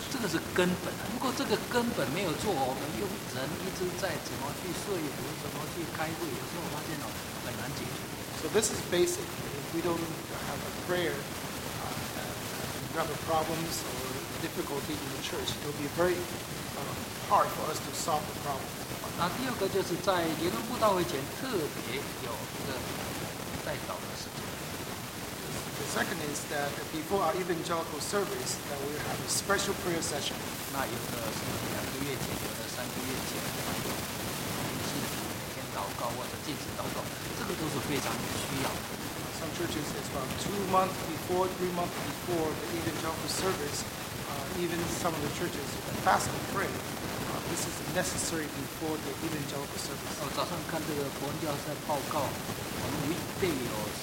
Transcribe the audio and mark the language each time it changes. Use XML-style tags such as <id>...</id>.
<zh>这个是根本啊，如果这个根本没有做，我们用人一直在怎么去说服，怎么去开会，有时候发现哦，很难解决。</zh> <en>So this is basic. If we don't have a prayer, we have problems or difficulty in the church, it will be very hard for us to solve the problem.</en> <zh>那第二个就是在耶稣布道会前特别有一个代祷的时间。</zh> <en>The second is that before our evangelical service, that we have a special prayer session.</en> <zh>那有的是两个月前，有的三个月前，还有定期的每天祷告或者禁止祷告，这个都是非常需要的。</zh> <en>Some churches is from 2 months before, 3 months before the evangelical service. Even some of the churches fast and pray. This is necessary before the evangelical service.</en> <zh>我早上看这个国文教师报告，我们一定有。</zh>